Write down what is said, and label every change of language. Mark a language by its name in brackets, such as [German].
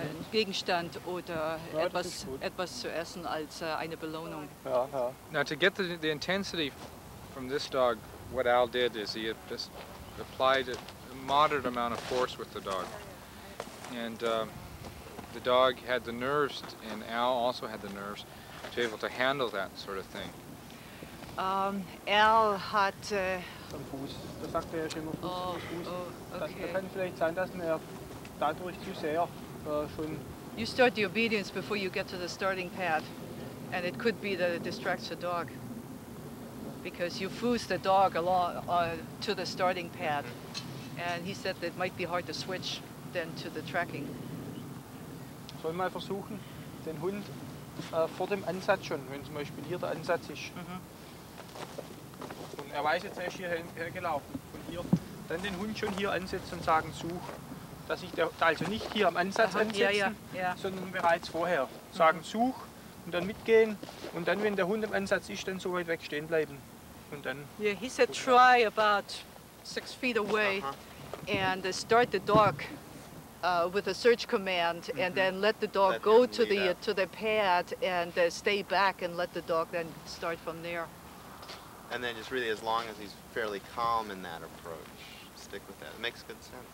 [German] Gegenstand oder etwas zu essen als eine Belohnung. [English] Now to get the intensity from this dog, what Al did is he just applied a moderate amount of force with the dog, and the dog had the nerves, and Al also had the nerves to be able to handle that sort of thing. [German] Al hat am Fuß. Das sagte er schon mal. Das kann vielleicht sein, dass er dadurch zu sehr [English] you start the obedience before you get to the starting pad, and it could be that it distracts the dog, because you foos the dog along to the starting pad, and he said that it might be hard to switch then to the tracking. [German] Soll mal versuchen, den Hund vor dem Ansatz schon, wenn zum Beispiel hier der Ansatz ist, und weiß jetzt, er ist hier hergelaufen, und hier dann den Hund schon hier ansetzen und sagen, such. Dass ich da also nicht hier am Ansatz ansetzen, sondern bereits vorher sagen, such und dann mitgehen und dann, wenn der Hund am Ansatz ist, dann so weit weg stehen bleiben und dann. [English] Yeah, he said try about 6 feet away and start the dog with a search command and then let the dog go to the pad and stay back and let the dog then start from there. And then just really as long as he's fairly calm in that approach, stick with that. It makes good sense.